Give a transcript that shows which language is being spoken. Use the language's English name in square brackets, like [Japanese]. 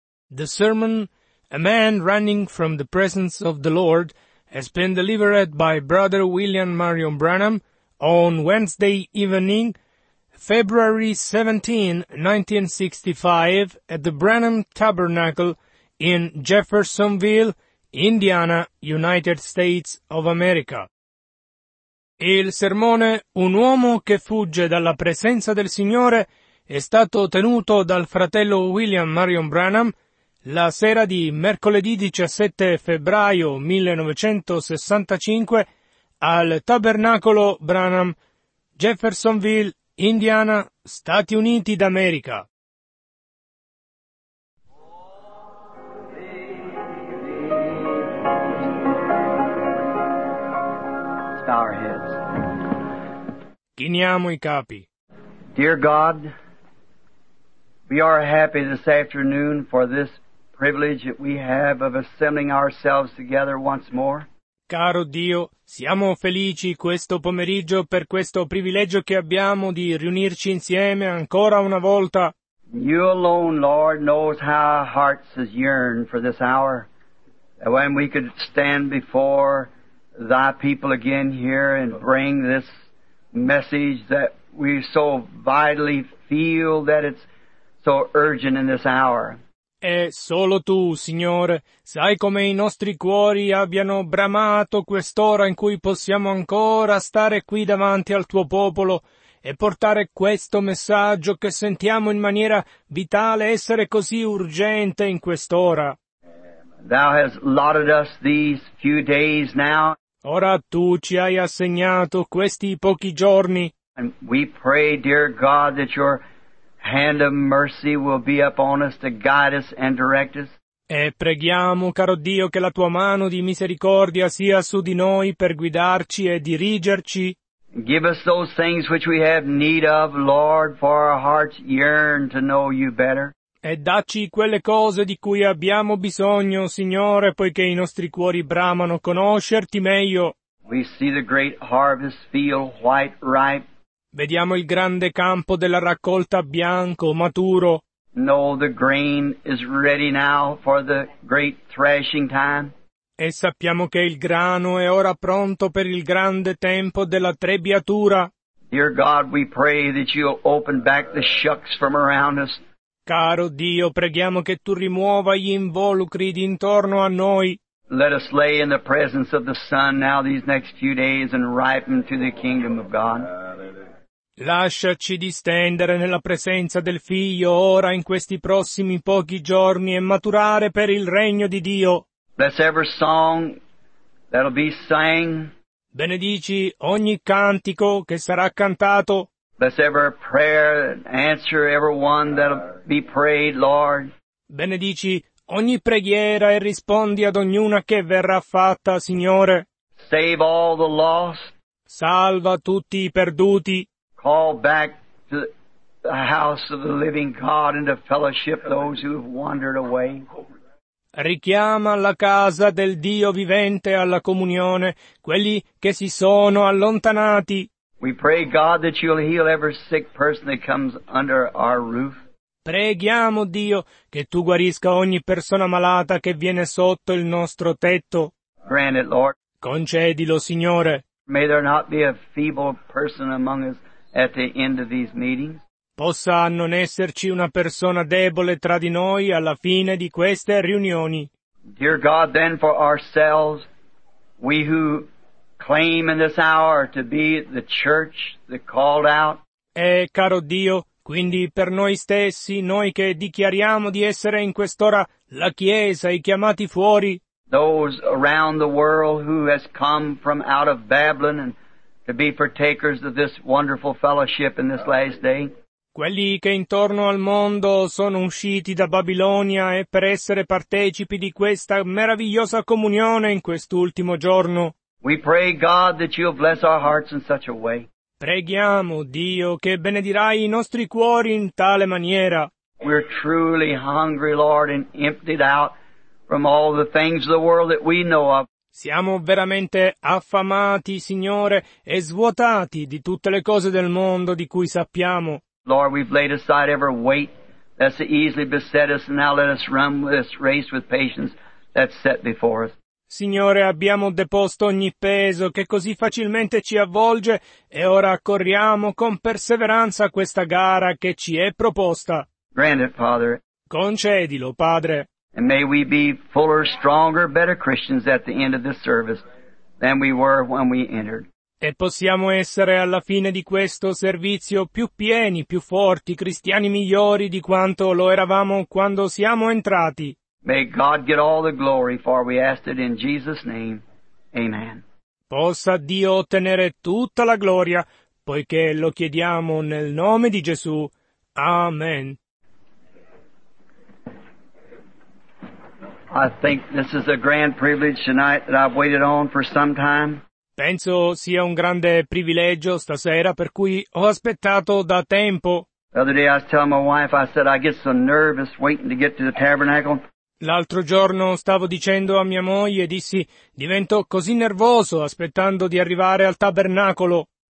[English] The sermon, A Man Running from the Presence of the Lord, has been delivered by Brother William Marion Branham on Wednesday evening, February 17, 1965, at the Branham Tabernacle in Jeffersonville, Indiana, United States of America. [Italian] Il sermone Un uomo che fugge dalla presenza del Signore è stato tenuto dal fratello William Marion Branham la sera di mercoledì 17 febbraio 1965 al Tabernacolo Branham, Jeffersonville, Indiana, Stati Uniti d'America. Chiniamo i capi. [English] Dear God, we are happy this afternoon for this privilege that we have of assembling ourselves together once more. [Italian] Caro Dio, siamo felici questo pomeriggio per questo privilegio che abbiamo di riunirci insieme ancora una volta. [English] You alone, Lord, knows how our hearts has yearned for this hour, that when we could stand before Thy people again here and bring this message that we so vitally feel that it's so urgent in this hour. [Italian] E solo Tu, Signore, sai come i nostri cuori abbiano bramato quest'ora in cui possiamo ancora stare qui davanti al Tuo popolo e portare questo messaggio che sentiamo in maniera vitale essere così urgente in quest'ora. [English] Thou hast allotted us these few days now. [Italian] Ora Tu ci hai assegnato questi pochi giorni. [English] And we pray, dear God, that Your hand of mercy will be upon us to guide us and direct us. [Italian] E preghiamo, caro Dio, che la Tua mano di misericordia sia su di noi per guidarci e dirigerci. [English] Give us those things which we have need of, Lord, for our hearts yearn to know You better. [Italian] E dacci quelle cose di cui abbiamo bisogno, Signore, poiché i nostri cuori bramano conoscerti meglio. [English] We see the great harvest field white, ripe. [Italian] Vediamo il grande campo della raccolta bianco, maturo. [English] No, the grain is ready now for the great threshing time. [Italian] E sappiamo che il grano è ora pronto per il grande tempo della trebbiatura. [English] Dear God, we pray that You'll open back the shucks from around us. [Italian] Caro Dio, preghiamo che Tu rimuova gli involucri d'intorno a noi. [English] Let us lay in the presence of the Son now these next few days and ripen to the kingdom of God. [Italian] Lasciaci distendere nella presenza del Figlio ora in questi prossimi pochi giorni e maturare per il regno di Dio. [English] Bless every song that'll be sang. [Italian] Benedici ogni cantico che sarà cantato. [English] Bless every prayer and answer everyone that'll be prayed, Lord. [Italian] Benedici ogni preghiera e rispondi ad ognuna che verrà fatta, Signore. [English] Save all the lost. [Italian] Salva tutti i perduti. [English] Call back to the house of the living God and to fellowship those who have wandered away. [Italian] Richiama alla casa del Dio vivente alla comunione quelli che si sono allontanati. [English] We pray, God, that You'll heal every sick person that comes under our roof. [Italian] Preghiamo, Dio, che Tu guarisca ogni persona malata che viene sotto il nostro tetto. [English] Grant it, Lord. [Italian] Concedilo, Signore. [English] May there not be a feeble person among us at the end of these meetings. [Italian] Possa non esserci una persona debole tra di noi alla fine di queste riunioni. [English] Dear God, then for ourselves, we who claim in this hour to be the church that called out. [Italian] E caro Dio, quindi per noi stessi, noi che dichiariamo di essere in quest'ora la Chiesa, i chiamati fuori. [English] Those around the world who has come from out of Babylon and to be partakers of this wonderful fellowship in this last day. [Italian] Quelli che intorno al mondo sono usciti da Babilonia e per essere partecipi di questa meravigliosa comunione in quest'ultimo giorno. [English] We pray, God, that You'll bless our hearts in such a way. [Italian] Preghiamo, Dio, che benedirai i nostri cuori in tale maniera. [English] We're truly hungry, Lord, and emptied out from all the things of the world that we know of. [Italian] Siamo veramente affamati, Signore, e svuotati di tutte le cose del mondo di cui sappiamo. [English] Lord, we've laid aside every weight that so easily beset us, and now let us run this race with patience that's set before us. [Italian] Signore, abbiamo deposto ogni peso che così facilmente ci avvolge e ora corriamo con perseveranza questa gara che ci è proposta. [English] Grant it, Father. [Italian] Concedilo, Padre. [English] And may we be fuller, stronger, better Christians at the end of this service than we were when we entered. [Italian] E possiamo essere alla fine di questo servizio più pieni, più forti, cristiani migliori di quanto lo eravamo quando siamo entrati. [English] May God get all the glory, for we ask it in Jesus' name. Amen. [Italian] Possa Dio ottenere tutta la gloria, poiché lo chiediamo nel nome di Gesù. Amen. [English] I think this is a grand privilege tonight that I've waited on for some time. [Italian] Penso sia un grande privilegio stasera per cui ho aspettato da tempo. [English] The other day I was telling my wife, I said, I get so nervous waiting to get to the tabernacle. [Italian] L'altro giorno stavo dicendo a mia moglie, dissi, divento così nervoso aspettando di arrivare al tabernacolo.